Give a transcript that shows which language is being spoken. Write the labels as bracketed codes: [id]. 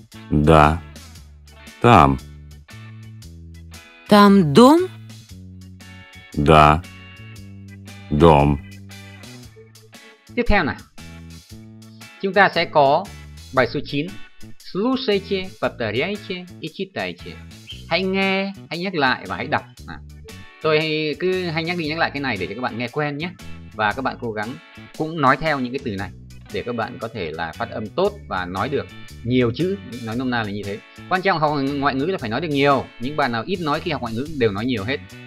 [ru] Да, там. Там дом? Да, дом. [vi] Tiếp theo này, chúng ta sẽ có bài số 9. [ru] Слушайте, повторяйте и читайте. [vi] Hãy nghe, hãy nhắc lại và hãy đọc. Tôi cứ hay nhắc đi nhắc lại cái này để cho các bạn nghe quen nhé. Và các bạn cố gắng cũng nói theo những cái từ này để các bạn có thể là phát âm tốt và nói được nhiều chữ. Nói nôm na là như thế. Quan trọng học ngoại ngữ là phải nói được nhiều. Những bạn nào ít nói khi học ngoại ngữ đều nói nhiều hết.